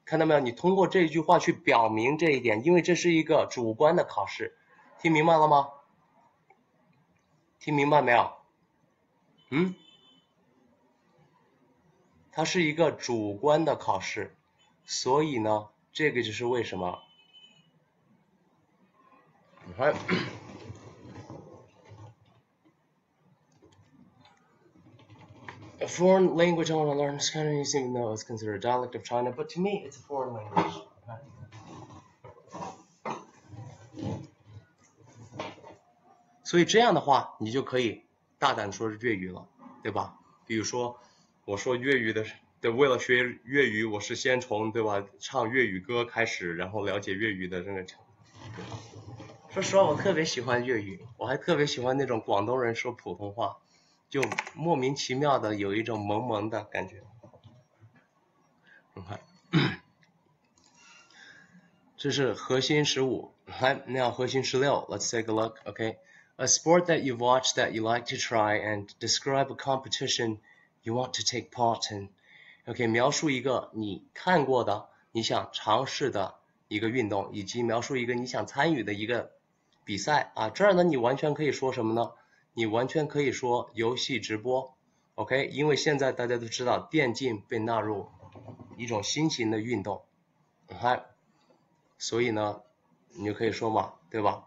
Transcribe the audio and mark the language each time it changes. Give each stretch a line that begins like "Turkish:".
Chinese: 看到没有？你通过这一句话去表明这一点，因为这是一个主观的考试，听明白了吗？听明白没有？它是一个主观的考试，所以呢，这个就是为什么。
English: 你看，a foreign language I want to learn is kind of using, even though it's considered a dialect of China, but to me, it's a foreign language.
Chinese: Okay. 所以这样的话，你就可以大胆说是粤语了，对吧？比如说，我说粤语的，对，为了学粤语，我是先从，对吧，唱粤语歌开始，然后了解粤语的这个程度。说实话，我特别喜欢粤语，我还特别喜欢那种广东人说普通话，就莫名其妙的有一种萌萌的感觉。这是核心十五，来，now 核心十六，
English: let's take a look, okay? A sport that you've watched that you like to try and describe a competition you want to take part in.
Chinese: OK，描述一个你看过的、你想尝试的一个运动，以及描述一个你想参与的一个比赛啊。这儿呢，你完全可以说什么呢？你完全可以说游戏直播。 OK，因为现在大家都知道电竞被纳入一种新型的运动，所以呢，你就可以说嘛，对吧？